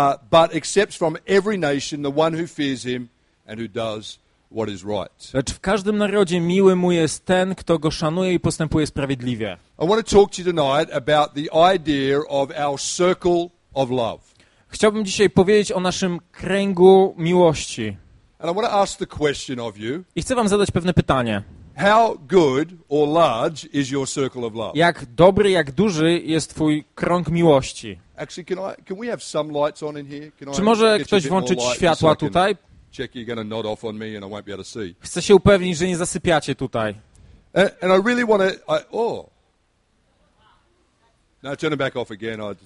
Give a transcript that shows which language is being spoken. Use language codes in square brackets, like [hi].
[en] But accepts from every nation the one who fears him and who does what is right. [pl] Lecz w każdym narodzie miły mu jest ten, kto go szanuje i postępuje sprawiedliwie. [en] I want to talk to you tonight about the idea of our circle of love. [pl] Chciałbym dzisiaj powiedzieć o naszym kręgu miłości. [en] And I want to ask the question of you. [pl] I chcę wam zadać pewne pytanie. [en] How good or large is your circle of love? [pl] Jak dobry, jak duży jest twój krąg miłości? [en] Actually, can we have some lights on in here? [pl] Czy może ktoś włączyć światła tutaj? [en] Check you're going to nod off on me and I won't be able to see. [pl] Chcę się upewnić, że nie zasypiacie tutaj. [en] And I really want to Now turn it back off again.